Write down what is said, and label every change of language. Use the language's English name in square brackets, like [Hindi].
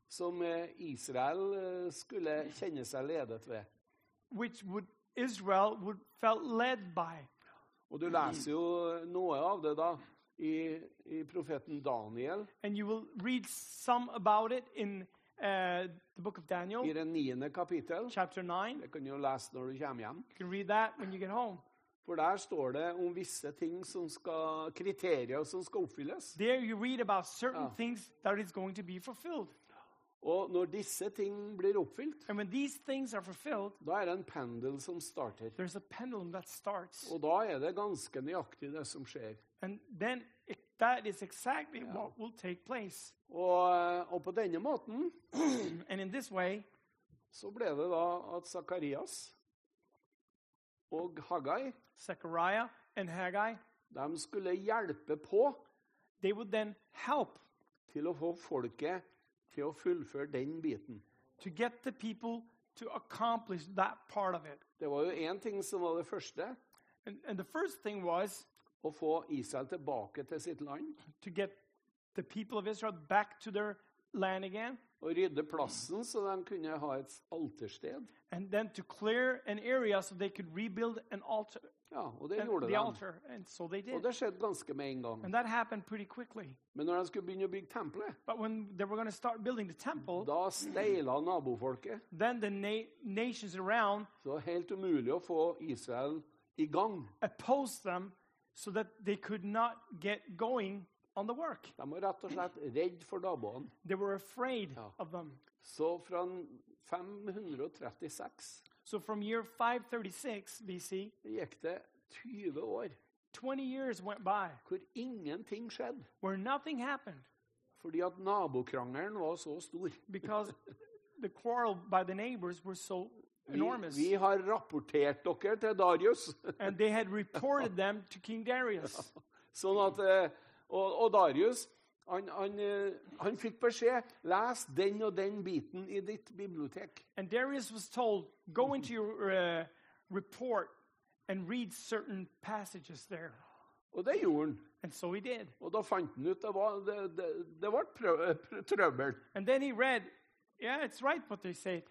[Norwegian] Som Israel skulle kjenne seg ledet ved. [English] Which would Israel would felt led by. [Norwegian] Og du leser jo noe av det da i profeten Daniel. [English] And you will read some about it in the book of Daniel. [Norwegian] I det 9. kapittel. [English] Chapter 9. [Norwegian] Det kan du lese når du kommer hjem. [English] You can read that when you get home. [Norwegian] For der står det om visse ting som skal, kriterier som skal oppfylles. [English] There you read about certain things that is going to be fulfilled. [Norwegian] Og når disse ting blir oppfylt, [English] and when these things are fulfilled, [Norwegian] da det en pendel som starter. [English] There's a pendulum that starts. [Norwegian] Og da det ganske nøyaktig det som skjer. [English] And then that is exactly what will take place. [Norwegian] Og på denne måten, [English] and in this way, [Norwegian] så ble det da at Zakarias og Haggai, [English] Zechariah and Haggai, [Norwegian] de skulle hjelpe på, [English] they would then help, [Norwegian] til å få folket til å fullføre den biten. [English] To get the people to accomplish that part of it. [Norwegian] Det var jo en ting som var det første. [English] And the first thing was [Norwegian] å få Israel tilbake til sitt land. [English] To get the people of Israel back to their land again. [Norwegian] Og rydde plassen så de kunne ha et altersted. [English] And then to clear an area so they could rebuild an altar. [Norwegian] Ja, og det gjorde [English] de. Altar. And so they did. [Norwegian] Og det skjedde ganske med en gang. [English] And that happened pretty quickly. [Norwegian] Men når de skulle begynne å bygge tempelet. [English] But when they were going to start building the temple. [Norwegian] Da steila nabofolket. [English] Then the nations around. [Norwegian] Så helt umulig å få Israel i gang. [English] Opposed them so that they could not get going on the work. [Norwegian] De var rett og slett redd for naboene. [English] They were afraid of them. [Norwegian] Så fra 536. [English] So from year 536 BC, [Norwegian] gikk det 20 år. [English] 20 years went by. [Norwegian] Hvor ingenting skjedde. [English] Where nothing happened. [Norwegian] Fordi at nabokrangelen var så stor. [English] Because the quarrel by the neighbors were so enormous. [Norwegian] Vi har rapportert dere til Darius. [English] And they had reported them to King Darius. [Norwegian] Sånn at og Darius, han fikk beskjed, les den og den biten i ditt bibliotek. [English] And Darius was told, go into your report and read certain passages there. [Norwegian] Og det gjorde han. [English] And so he did. [Norwegian] Og da fant han ut, det var trøbbel. [English] And then he read, yeah, it's right what they say.